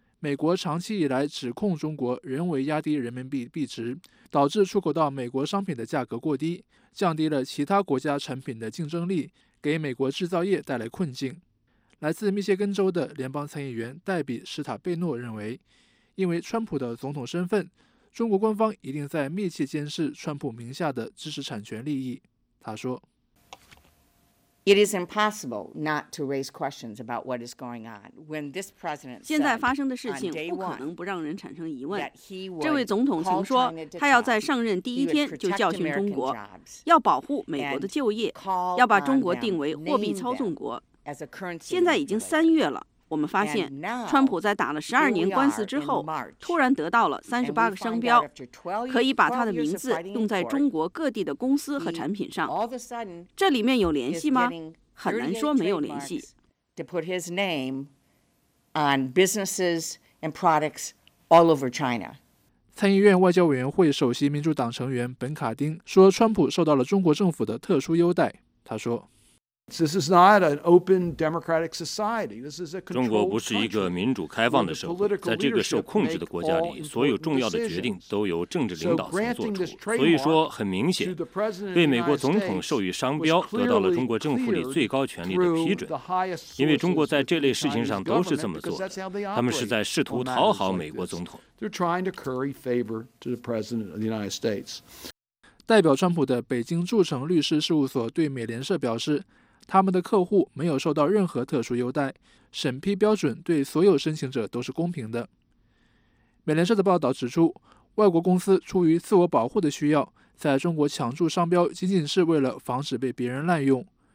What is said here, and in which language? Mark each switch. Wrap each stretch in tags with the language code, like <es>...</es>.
<zh>美国长期以来指控中国人为压低人民币币值，导致出口到美国商品的价格过低，降低了其他国家产品的竞争力，给美国制造业带来困境。来自密歇根州的联邦参议员戴比·史塔贝诺认为，因为川普的总统身份，中国官方一定在密切监视川普名下的知识产权利益。他说，</zh> <en>It is impossible not to raise questions about what is going on. When this president said</en> <zh>现在发生的事情不可能不让人产生疑问。这位总统曾说，他要在上任第一天就教训中国，要保护美国的就业，要把中国定为货币操纵国。现在已经三月了。我们发现川普在打了十二年官司之后突然得到了三十八个商标，可以把他的名字用在中国各地的公司和产品上。这里面有联系吗？很难说没有联系。</zh> <en>To put his name on businesses and products all over China.</en> <zh>参议院外交委员会首席民主党成员本卡丁说，川普受到了中国政府的特殊优待。他说，</zh> <en>This is not an open democratic society. This is a controlled country.</en> <zh>中国不是一个民主开放的社会，在这个受控制的国家里，所有重要的决定都由政治领导层做出。所以说，很明显，被美国总统授予商标，得到了中国政府里最高权力的批准。因为中国在这类事情上都是这么做的，他们是在试图讨好美国总统。</zh> <en>They're trying to curry favor to the president of the United States.</en> <zh>代表川普的北京驻城律师事务所对美联社表示，他们的客户没有受到任何特殊优待，审批标准对所有申请者都是公平的。美联社的报道指出，外国公司出于自我保护的需要，在中国抢注商标仅仅是为了防止被别人滥用。</zh>